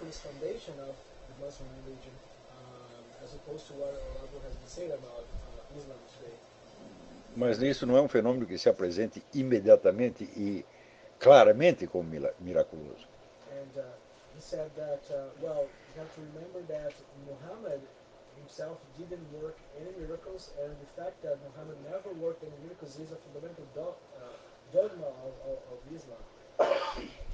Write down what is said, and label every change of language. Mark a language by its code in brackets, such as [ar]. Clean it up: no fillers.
[en] Muslim religion, as opposed to what Rabu has been saying about Islam today. [pt] Mas isso não é um fenômeno que se apresente imediatamente e claramente como miraculoso. [en] And he said that, well, you have to remember that Muhammad himself didn't work any miracles, and the fact that Muhammad never worked any miracles is a fundamental dogma of Islam.